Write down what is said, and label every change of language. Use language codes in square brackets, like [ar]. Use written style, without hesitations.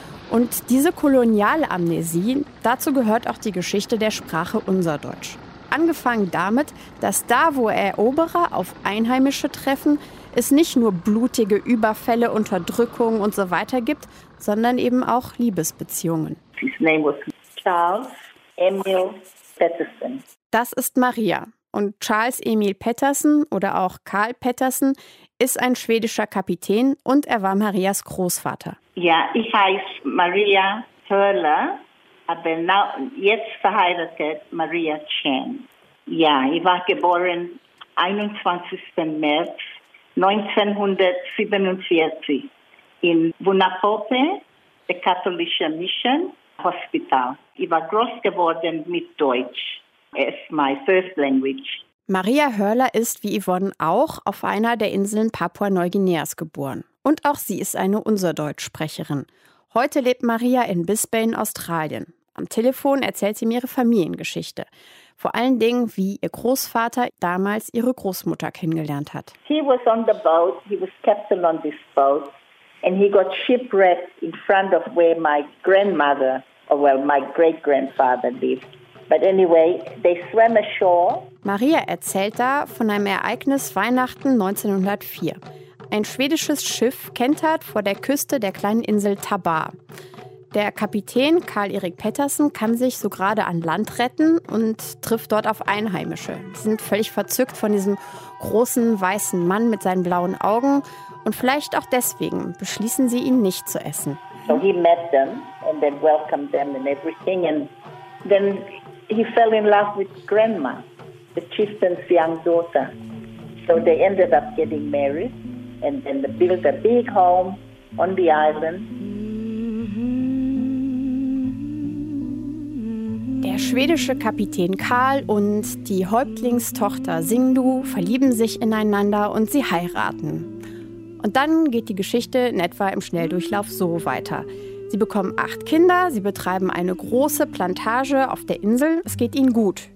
[de] Und diese Kolonialamnesie, dazu gehört auch die Geschichte der Sprache unser Deutsch. Angefangen damit, dass da, wo Eroberer auf Einheimische treffen, es nicht nur blutige Überfälle, Unterdrückungen und so weiter gibt, sondern eben auch Liebesbeziehungen. [en] His name was Charles Emil Patterson. [de] Das ist Maria. Und Charles Emil Patterson oder auch Karl Patterson ist ein schwedischer Kapitän und er war Marias Großvater. Ja, ich heiße Maria Hörler, aber now, jetzt verheiratet Maria Chen. Ja, ich war geboren 21. März 1947 in Vunapope, der katholischen Mission. Hospital. Ich war groß geworden mit Deutsch. [en] It's my first language. [de] Maria Hörler ist, wie Yvonne auch, auf einer der Inseln Papua-Neuguineas geboren. Und auch sie ist eine Unserdeutschsprecherin. Heute lebt Maria in Brisbane, Australien. Am Telefon erzählt sie mir ihre Familiengeschichte. Vor allen Dingen, wie ihr Großvater damals ihre Großmutter kennengelernt hat. [en] He was on the boat. He was captain on this boat. And he got shipwrecked in front of where my grandmother, or well, my great-grandfather lived. But anyway, they swam ashore. [de] Maria erzählt da von einem Ereignis Weihnachten 1904. Ein schwedisches Schiff kentert vor der Küste der kleinen Insel Tabar. Der Kapitän Karl-Erik Patterson kann sich so gerade an Land retten und trifft dort auf Einheimische. Sie sind völlig verzückt von diesem großen, weißen Mann mit seinen blauen Augen. Und vielleicht auch deswegen beschließen sie, ihn nicht zu essen. [en] So he met them and then welcomed them and everything. And then he fell in love with grandma, the chieftain's young daughter. So they ended up getting married and then they built a big home on the island. [de] Der schwedische Kapitän Karl und die Häuptlingstochter Singdu verlieben sich ineinander und sie heiraten. Und dann geht die Geschichte in etwa im Schnelldurchlauf so weiter. Sie bekommen 8 Kinder, sie betreiben eine große Plantage auf der Insel. Es geht ihnen gut.